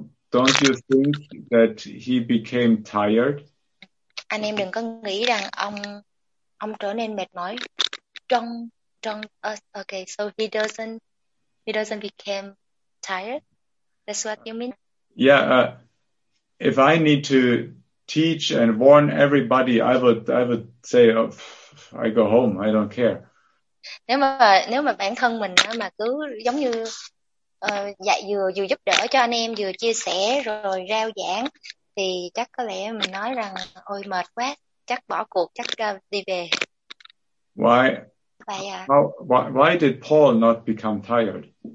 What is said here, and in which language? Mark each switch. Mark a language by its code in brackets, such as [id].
[en] Don't you think that he became tired? [vi] Anh em đừng có nghĩ rằng ông trở nên mệt mỏi trong [en] okay, so he doesn't become tired. That's what you mean? Yeah, if I need to teach and warn everybody, I would say, oh, I go home, I don't care. [vi] Nếu mà bản thân mình mà cứ giống như dạy vừa giúp đỡ cho anh em, vừa chia sẻ rồi rao giảng, thì chắc có lẽ mình nói rằng ôi mệt quá, chắc bỏ cuộc, chắc đi về. [en] Why did Paul not become tired?